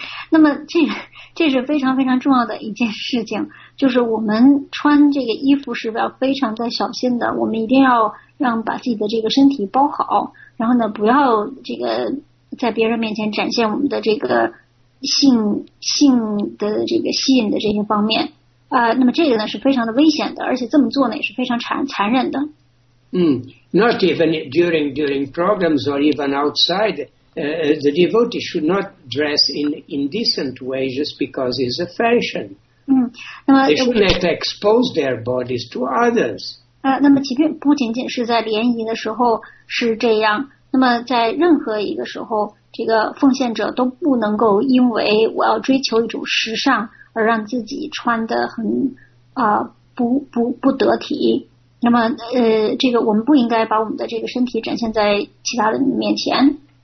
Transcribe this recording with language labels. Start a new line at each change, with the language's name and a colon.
Chinese: 那么这是非常非常重要的一件事情，就是我们穿这个衣服是要非常的小心的，我们一定要让把自己的这个身体包好，然后呢不要这个在别人面前展现我们的这个性的这个吸引的这些方面那么这个呢是非常的危险的，而且这么做呢也是非常残忍的。
English: Not even during programs or even outside. The devotee should not dress in indecent ways just because it's a fashion. They should not expose their bodies to others.
Chinese: 那么即便不仅仅是在联谊的时候是这样，那么在任何一个时候，这个奉献者都不能够因为我要追求一种时尚而让自己穿得很不得体。那么这个我们不应该把我们的这个身体展现在其他人面前。